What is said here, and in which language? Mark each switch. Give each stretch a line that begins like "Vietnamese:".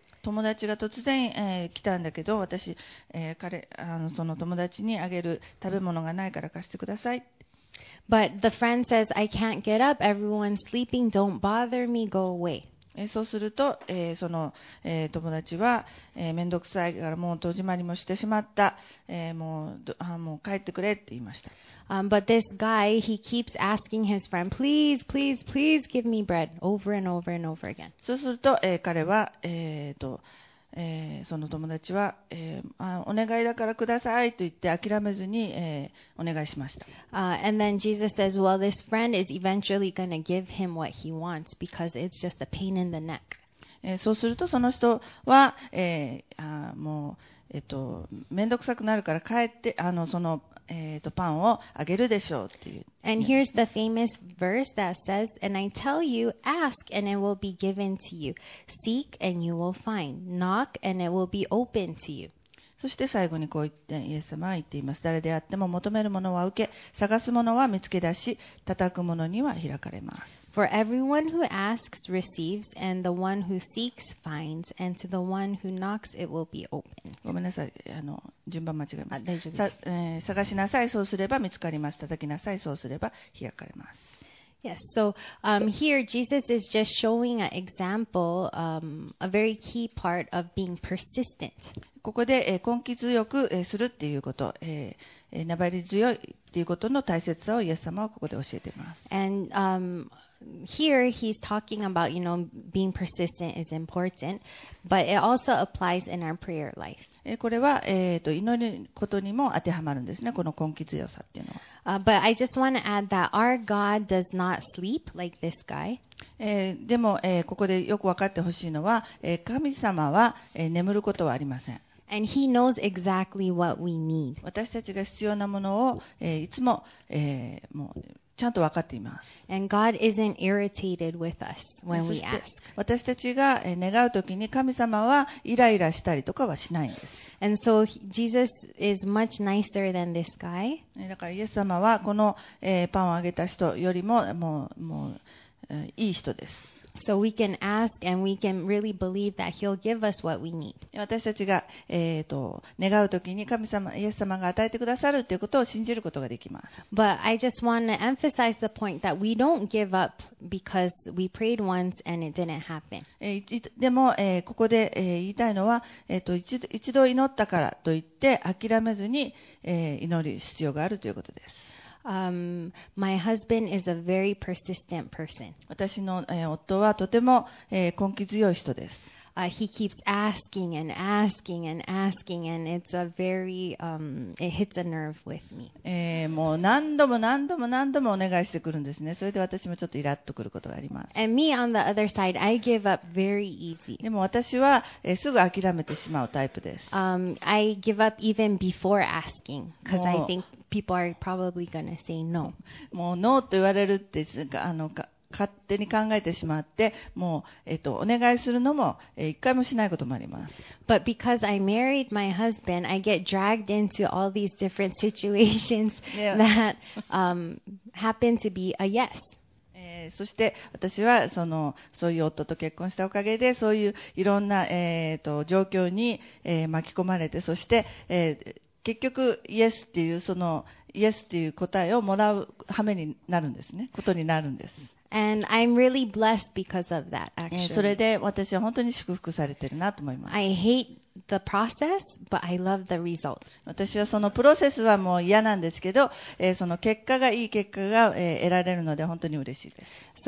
Japanese: 友達が突然、来たんだけど、私、その友達にあげる食べ物がないから貸してください。
English: But the friend says, I can't get up. Everyone's sleeping. Don't bother me. Go away.
Japanese: そうすると、その、友達は、めんどくさいからもう戸締まりもしてしまった。もう帰ってくれって言いました。
English: But this guy, he keeps asking his friend, please, please, please give me bread over and over and over again.
Japanese: そうすると、彼は、その友達は、お願いだからくださいと言って諦めずに、お願いしました。
English: And then Jesus says, well, this friend is eventually going to give him what he wants because it's just a pain in the neck.
Japanese: そうするとその人は、もう、めんどくさくなるから帰って、その、パンをあげるでしょうっていう。
English: And here's the famous verse that says, And I tell you, ask and it will be given to you. Seek and you will find. Knock and it will be opened to you.
Japanese: そして最後にこう言って、イエス様は言っています。誰であっても求めるものは受け、探すものは見つけ出し、叩くものには開かれます。
English: For everyone who asks receives, and the one who seeks finds, and to the one who knocks it will be opened.
Japanese: ごめんなさい、順番間違えました。大丈夫です。探しなさい、そうすれば見つかります。叩きなさい、そうすれば開かれます。
English: Yes, so here Jesus is just showing an example, a very key part of being persistent.
Japanese: ここで、根気強く、するっていうこと、粘り強いっていうことの大切さをイエス様はここで教えています。
English: And, here he's talking about, you know, being persistent is important, but it also applies in our prayer life.
Japanese: これは、祈ることにも当てはまるんですね、この根気強さっていうのは。
English: But I just want to add that our God does not sleep like this guy.
Japanese: でも、ここでよく分かってほしいのは、神様は、眠ることはありません。
English: And he knows exactly what we need.
Japanese: 私たちが必要なものを、いつも、もうちゃんと分かっています。
English: And God isn't irritated with us when we ask.
Japanese: 私たちが願うときに神様はイライラしたりとかはしないんです。
English: And so Jesus is much nicer than this guy.
Japanese: だからイエス様はこの、パンをあげた人よりももう、いい人です。
English: So we can ask and we can really believe that he'll give us what we need.
Japanese: 私たちが、願うときに神様、イエス様が与えてくださるということを信じることができます。
English: But I just want to emphasize the point that we don't give up because we prayed once and it didn't happen.
Japanese: でも、ここで、言いたいのは、一度祈ったからといって諦めずに、祈る必要があるということです。
English: My husband is a very persistent person.
Japanese: 私の、夫はとても、根気強い人です。
English: He keeps asking and asking and asking, and it's a very, it hits a nerve with me.
Japanese: もう何度も何度も何度もお願いしてくるんですね。それで私もちょっとイラッとくることがあります。
English: And me on the other side, I give up very easy.
Japanese: でも私は、すぐ諦めてしまうタイプです。
English: I give up even before asking, because I think people are probably gonna say no.
Japanese: もうノーと言われるって、勝手に考えてしまって、もう、お願いするのも、一回もしないこともあります。
English: But because I married my husband, I get dragged into all these different situations that, happen to be a yes.
Japanese: そして、私は、そういう夫と結婚したおかげで、そういういろんな、状況に、巻き込まれて、そして、結局、イエスっていう、イエスっていう答えをもらう羽目になるんですね。ことになるんです。
English: And I'm really blessed because of that, actually.
Japanese: それで私は本当に祝福されてるなと思います。
English: I hate the process, but I love the result.
Japanese: 私はそのプロセスはもう嫌なんですけど、その結果がいい結果が、得られるので本当に嬉しいです。